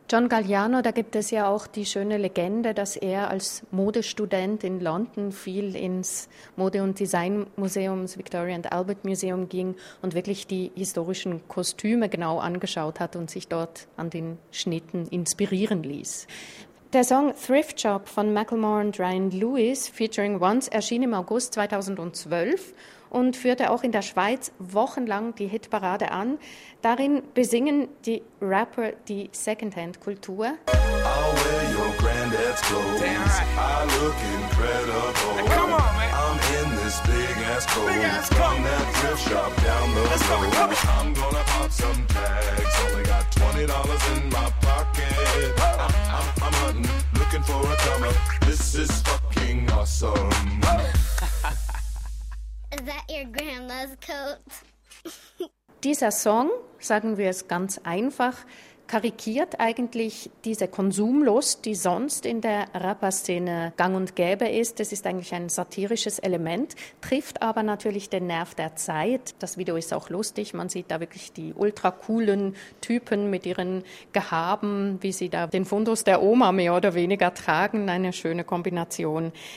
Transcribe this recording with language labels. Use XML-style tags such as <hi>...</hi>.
<de>John Galliano, da gibt es ja auch die schöne Legende, dass er als Modestudent in London viel ins Mode- und Designmuseum, das Victoria and Albert Museum, ging und wirklich die historischen Kostüme genau angeschaut hat und sich dort an den Schnitten inspirieren ließ. Der Song Thrift Shop von Macklemore und Ryan Lewis, featuring Once, erschien im August 2012 und führte auch in der Schweiz wochenlang die Hitparade an. Darin besingen die Rapper die Secondhand-Kultur.</de> <en>I'll wear your granddad's clothes. Damn right. I look incredible. Hey, come on, man. I'm in this big ass coat. Big ass coat. From that thrift shop down the road. Come on, come on. I'm gonna pop some tags. Only got $20 in my pocket. I'm hunting, looking for a come up. This is fucking awesome. Is that your grandma's coat?</en> <de>Dieser Song, sagen wir es ganz einfach, karikiert eigentlich diese Konsumlust, die sonst in der Rapper-Szene gang und gäbe ist. Das ist eigentlich ein satirisches Element, trifft aber natürlich den Nerv der Zeit. Das Video ist auch lustig, man sieht da wirklich die ultra coolen Typen mit ihren Gehaben, wie sie da den Fundus der Oma mehr oder weniger tragen, eine schöne Kombination.</de>